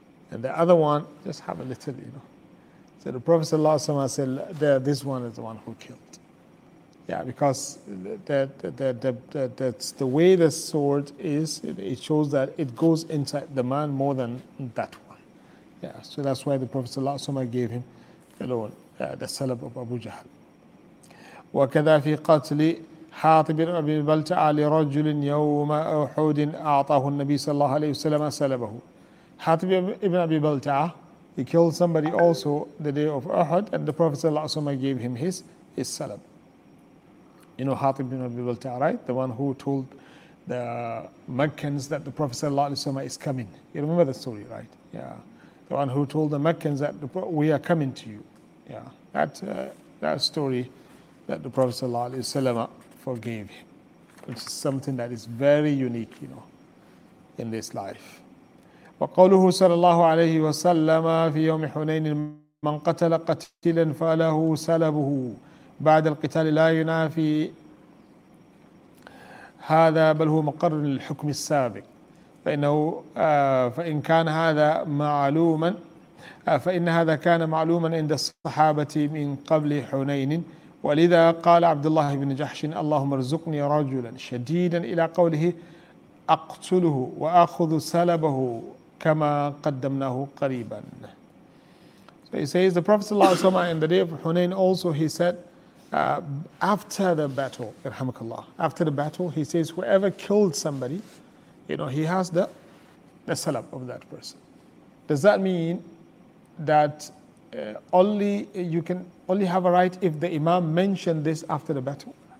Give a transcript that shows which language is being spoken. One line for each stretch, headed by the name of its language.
English: And the other one, just have a little, you know. So the Prophet sallallahu alaihi wasallam said, there, this one is the one who killed. Yeah, because that's the way the sword is, it shows that it goes inside the man more than that one. Yeah, so that's why the Prophet ﷺ gave him alone the salab of Abu Jahl.
Arabic: وَكَذَا فِي قَتْلِ حَاطِبٍ أَبِي بَلْتَعَى لِرَجُلٍ يَوْمَ أُحُودٍ أَعْطَاهُ النَّبِي صلى الله عليه وسلم سَلَبَهُ.
English: حاطب ابن أبي بلتعة, he killed somebody also the day of Uhud, and the Prophet ﷺ gave him his salab. You know, Hatib ibn Abi Balta'a, right? The one who told the Meccans that the Prophet sallallahu alayhi wa sallam is coming. You remember the story, right? Yeah. The one who told the Meccans that we are coming to you. Yeah. That story that the Prophet sallallahu alayhi wa sallam forgave him, which is something that is very unique, you know. in this life.
Arabic: وقوله صلى الله عليه وسلم في يوم حنين من قتل قتيلا فله سلبه بعد القتال لا ينافي هذا بل هو مقر للحكم السابق فإنه فإن كان هذا معلوما فإن هذا كان معلوما عند الصحابة من قبل حنين ولذا قال عبد الله بن جحش اللهم ارزقني رجلا شديدا إلى قوله أقتله وأخذ سلبه كما قدمناه قريبا.
English: So he says the Prophet sallallahu alaihi wasallam in the day of Hunain also he said after the battle, irhamakallah, after the battle he says whoever killed somebody, you know, he has the salab of that person. Does that mean that only you can only have a right if the Imam mentioned this after the battle?